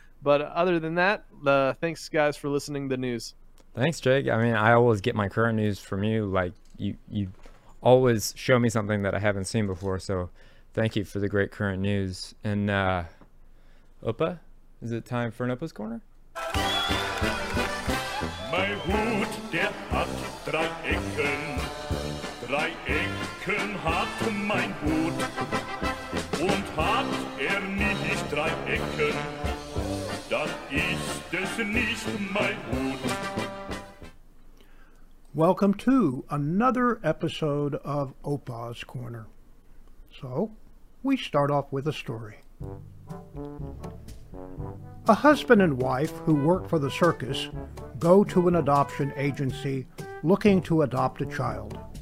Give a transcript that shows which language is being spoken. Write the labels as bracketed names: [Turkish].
[English] But other than that, thanks guys for listening to the news. Thanks, Jake. I mean, I always get my current news from you. Like, you always show me something that I haven't seen before. So thank you for the great current news. And Opa, is it time for an Opa's Corner? [German] My hood, der hat drei Ecken. Drei Ecken hat mein hood. Und hat nicht drei Ecken, dann ist es nicht mein hood. [English] Welcome to another episode of Opa's Corner. So, we start off with a story. A husband and wife who work for the circus go to an adoption agency looking to adopt a child.